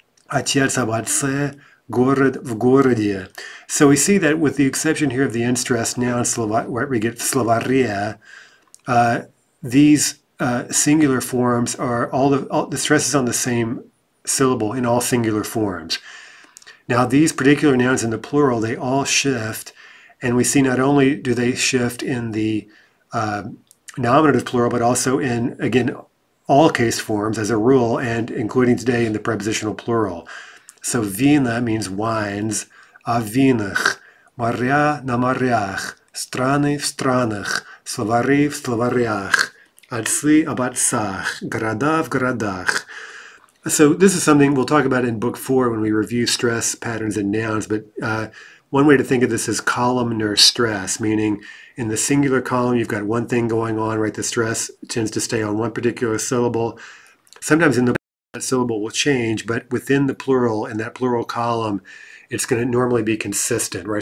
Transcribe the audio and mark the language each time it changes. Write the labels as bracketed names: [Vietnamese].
[Russian] Отец об отце, город в городе. [English] So we see that with the exception here of the N stress noun, where we get словаре, these singular forms are all the stress is on the same syllable in all singular forms. Now these particular nouns in the plural, they all shift, and we see not only do they shift in the nominative plural, but also in, again, all case forms as a rule, and including today in the prepositional plural. So vina means wines, [Russian] о винах, моря на морях, страны в странах, словари в словарях, отцы об отцах, города в городах. [English] So this is something we'll talk about in book four when we review stress patterns and nouns, but one way to think of this is columnar stress, meaning in the singular column, you've got one thing going on, right? The stress tends to stay on one particular syllable. Sometimes in the that syllable will change, but within the plural, in that plural column, it's going to normally be consistent, right?